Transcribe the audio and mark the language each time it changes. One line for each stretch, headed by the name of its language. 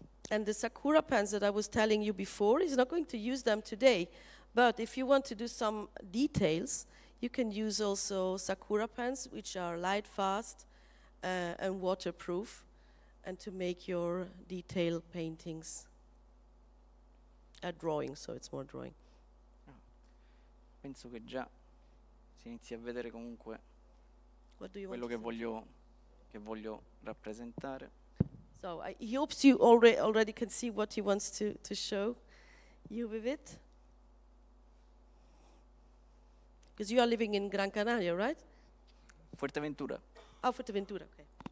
English: And the Sakura pens that I was telling you before, is not going to use them today. But if you want to do some details, you can use also Sakura pens, which are light, fast, and waterproof, and to make your detail paintings. A drawing, so it's more drawing.
Italian: Penso che già si inizi a vedere comunque quello che voglio rappresentare.
English: So he hopes you already can see what he wants to show you with it. Because you are living in Gran Canaria, right? Fuerteventura. Oh, Fuerteventura, okay.